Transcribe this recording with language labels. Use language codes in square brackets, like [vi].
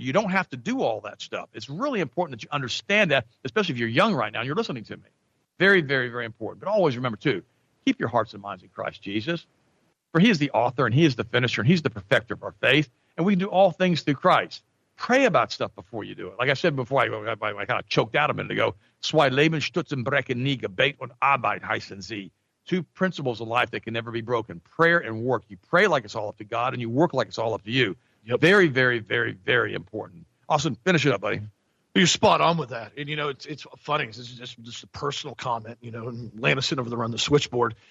[en] You don't have to do all that stuff. It's really important that you understand that, especially if you're young right now and you're listening to me. Very, very, very important. But always remember, too, keep your hearts and minds in Christ Jesus. For he is the author and he is the finisher and he's the perfecter of our faith. And we can do all things through Christ. Pray about stuff before you do it. Like I said before, I kind of choked out a minute ago. [de] Zwei Leben stützen brechen nie, Gebet und Arbeit heißen sie. [en] Two principles of life that can never be broken. Prayer and work. You pray like it's all up to God and you work like it's all up to you. Yep. Very, very, very, very important. Austin, finish it up, buddy. You're spot on with that. And, you know, it's funny. This is just a personal comment, you know, and Lannison over there on the switchboard.